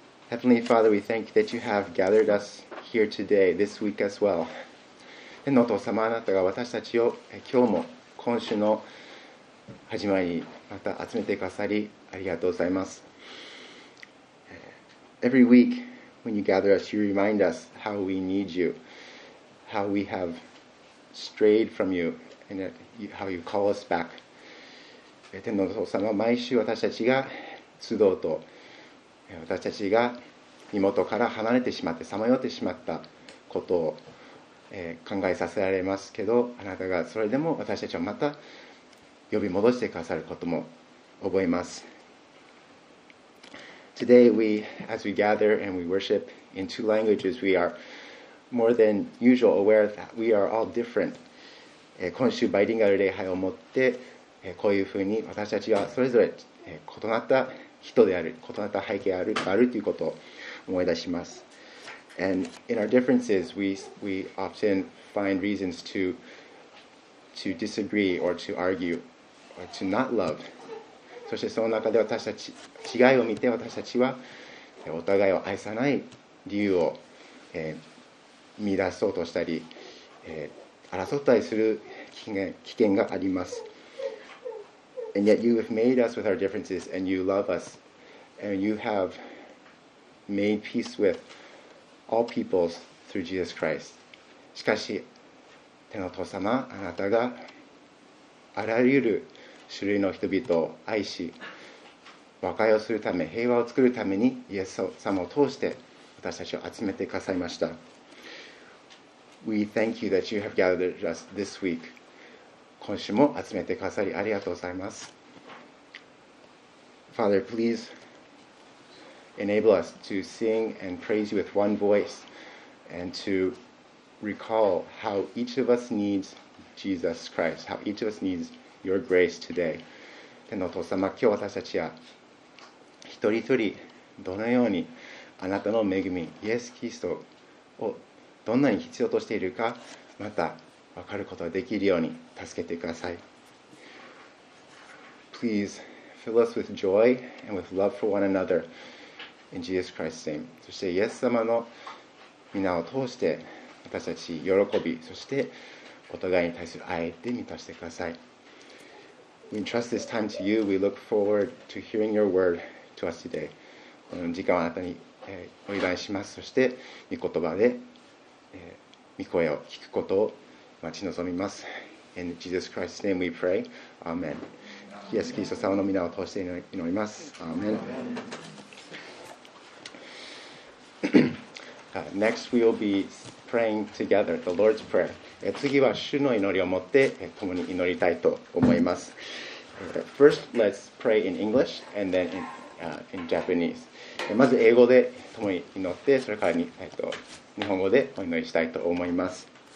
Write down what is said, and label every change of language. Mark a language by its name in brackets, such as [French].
[English] Heavenly Father, we thank you that you have gathered us here today, this week as well. [Japanese] 天のお父様、あなたが私たちを今日も今週の始まりにまた集めてくださり、ありがとうございます。 [English] Every week when you gather us, you remind us how we need you, how we have strayed from you, and that you, how you call us back. [Japanese] 天皇の父様、毎週私たちが集うと、私たちが身元から離れてしまって、さまよってしまったことを、考えさせられますけど、あなたがそれでも私たちをまた呼び戻してくださることも覚えます。 [English] Today, as we gather and we worship in two languages, we are more than usual aware that we are all different. [Japanese] 今週、バイリンガル礼拝をもって、こういうふうに私たちはそれぞれ異なった人である、異なった背景がある、あるということを思い出します。 [English] And in our differences, we often find reasons to disagree or to argue or to not love. [Japanese] そしてその中で私たち、違いを見て私たちはお互いを愛さない理由を、見出そうとしたり、争ったりする危険があります。 [English] And yet you have made us with our differences and you love us and you have made peace with all peoples through Jesus Christ. [Japanese] しかし、天の父様、あなたがあらゆる種類の人々を愛し、和解をするため、平和を作るためにイエス様を通して私たちを集めてくださいました。 [English] We thank you that you have gathered us this week. [Japanese] 今週も集めてくださりありがとうございます。 [English] Father, please enable us to sing and praise you with one voice and to recall how each of us needs Jesus Christ, how each of us needs your grace today. [Japanese] 天皇父様、今日私たちは一人一人どのようにあなたの恵み、イエス・キリストをどんなに必要としているか、また分かることができるように助けてください。 [English] Please fill us with joy and with love for one another in Jesus Christ's name. [Japanese] そしてイエス様の皆を通して私たち喜び、そしてお互いに対する愛で満たしてください。 [English] We entrust this time to you. We look forward to hearing your word to us today. [Japanese] この時間をあなたにお祈りします。そして御言葉で御声を聞くことを待ち望みます。 [English] In Jesus Christ's name we pray. Amen. [Japanese] イエス・キリスト様の皆を通して祈ります。 [English] Amen. Next we will be praying together, the Lord's Prayer. [Japanese] 次は主の祈りを持って共に祈りたいと思います。 [English] First, let's pray in English and then in Japanese. [Japanese] まず英語で共に祈って、それから日本語でお祈りしたいと思います。